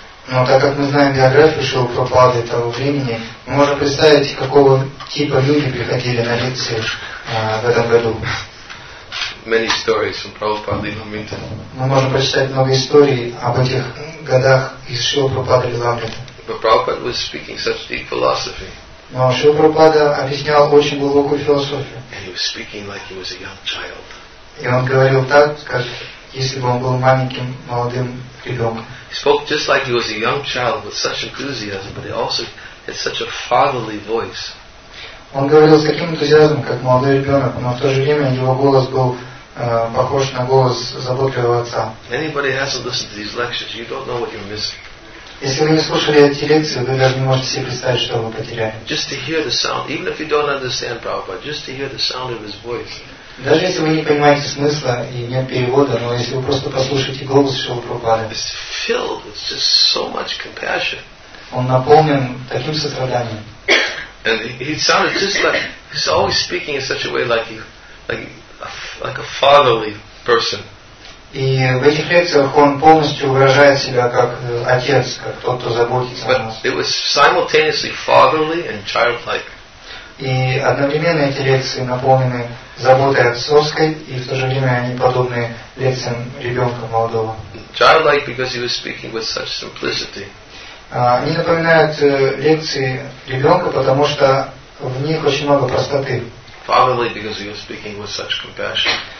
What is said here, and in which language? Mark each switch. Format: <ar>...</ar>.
<ru>Но так как мы знаем биографию Шрилы Прабхупады того времени, мы можем представить, какого типа люди приходили на лекции в этом году.</ru> <en>Many stories from Prabhupada Lilamrita.</en> <ru>Мы можем прочитать много историй об этих годах из Шрилы Прабхупады Лиламрита.</ru> <en>But Prabhupada was speaking such deep philosophy.</en> <ru>Но Шрила Прабхупада объяснял очень глубокую философию.</ru> <en>And he was speaking like he was a young child.</en> <ru>И он говорил так, как если бы он был маленьким молодым ребенком.</ru> <en>He spoke just like he was a young child with such enthusiasm, but he also had such a fatherly voice.</en> <ru>Он говорил с таким энтузиазмом, как молодой ребенок, но в то же время его голос был похож на голос заботливого отца.</ru> <en>Anybody has to listen to these lectures, you don't know what you're missing.</en> <ru>Если вы не слушали эти лекции, вы даже не можете себе представить, что вы потеряли.</ru> <en>Just to hear the sound, even if you don't understand Prabhupada, just to hear the sound of his voice.</en> <ru>Даже если вы не понимаете смысла и нет перевода, но если вы просто послушаете голос Шрилы Прабхупады,</ru> <en>it's filled with just so much compassion.</en> <ru>Он наполнен таким состраданием.</ru> <en>And he sounded just like he's always speaking in such a way like a fatherly person.</en> <ru>И в этих лекциях он полностью выражает себя как отец, как тот, кто заботится о нас.</ru> <en>It was simultaneously fatherly and childlike.</en> <ru>И одновременно эти лекции наполнены заботой отцовской, и в то же время они подобны лекциям ребенка молодого.</ru> <en>Childlike because he was speaking with such simplicity.</en> <ru>Они напоминают лекции ребенка, потому что в них очень много простоты.</ru> <en>Fatherly because he was speaking with such compassion.</en>